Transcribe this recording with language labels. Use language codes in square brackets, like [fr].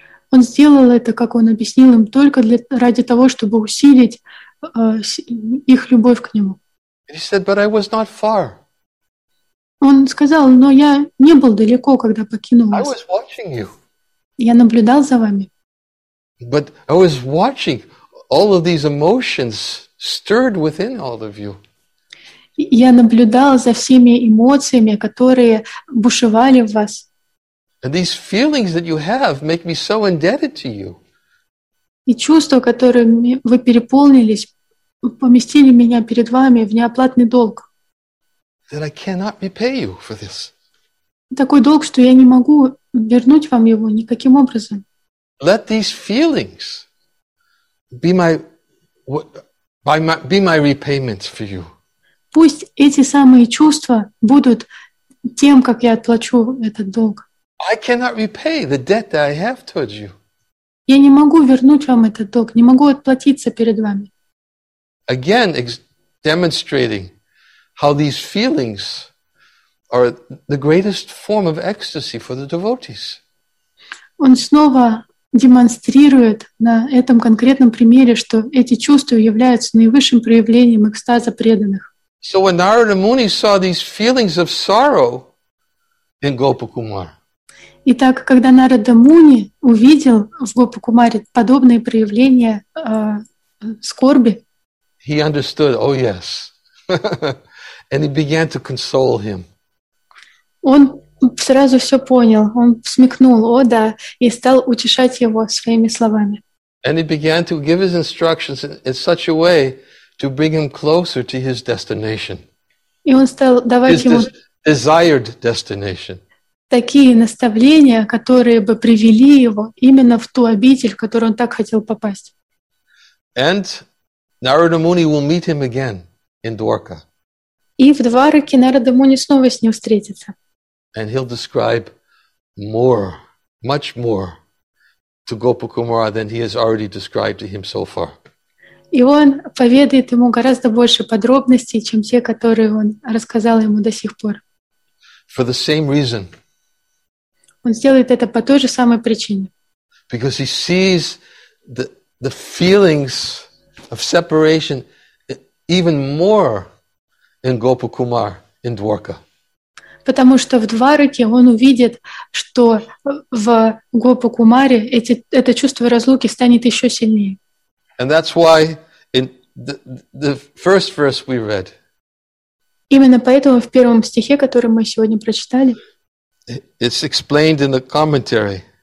[ru] Он сделал это, как он объяснил им, только для, ради того, чтобы усилить их любовь к нему. [en] He said, but I was not far. [ru] Он сказал, но я не был далеко, когда покинул вас. [en] I was watching you. [ru] Я наблюдал за вами. [en] But I was watching all of these emotions stirred within all of you. [ru] Я наблюдал за всеми эмоциями, которые бушевали в вас. [en] And these feelings that you have make me so indebted to you. [ru] И чувства, которыми вы переполнились, поместили меня перед вами в неоплатный долг. [en] That I cannot repay you for this. [ru] Такой долг, что я не могу вернуть вам его никаким образом. [en] Let these feelings be my repayments for you. [ru] Пусть эти самые чувства будут тем, как я отплачу этот долг. [en] I cannot repay the debt that I have towards you. [ru] Я не могу вернуть вам этот долг, не могу отплатиться перед вами. [en] Again, demonstrating how these feelings are the greatest form of ecstasy for the devotees. [ru] Он снова демонстрирует на этом конкретном примере, что эти чувства являются наивысшим проявлением экстаза преданных. [en] So when Narada Muni saw these feelings of sorrow in Gopakumar. [ru] Итак, когда Нарада Муни увидел в Гопакумаре подобные проявления скорби, [en] he understood, oh yes. And he began to console him. [ru] Он сразу все понял, он смекнул, о да, и стал утешать его своими словами. [en] And he began to give his instructions in such a way to bring him closer to his destination. [ru] И он стал давать [en] his [ru] ему [en] desired destination. [ru] Такие наставления, которые бы привели его именно в ту обитель, в которую он так хотел попасть. [en] And Narada Muni will meet him again in Dwarka. [ru] И в Двараке Нарада Муни снова с ним встретится. [en] And he'll describe more, much more to Gopakumara than he has already described to him so far. [ru] И он поведает ему гораздо больше подробностей, чем те, которые он рассказал ему до сих пор. [en] For the same reason. [ru] Он сделает это по той же самой причине. [en] Because he sees the feelings of separation even more in Gopakumar, in Dwarka. [ru] Потому что в Двараке он увидит, что в Гопакумаре это чувство разлуки станет еще сильнее. [en] And that's why in the first verse we read. [ru] Именно поэтому в первом стихе, который мы сегодня прочитали, [en] it's explained in the commentary.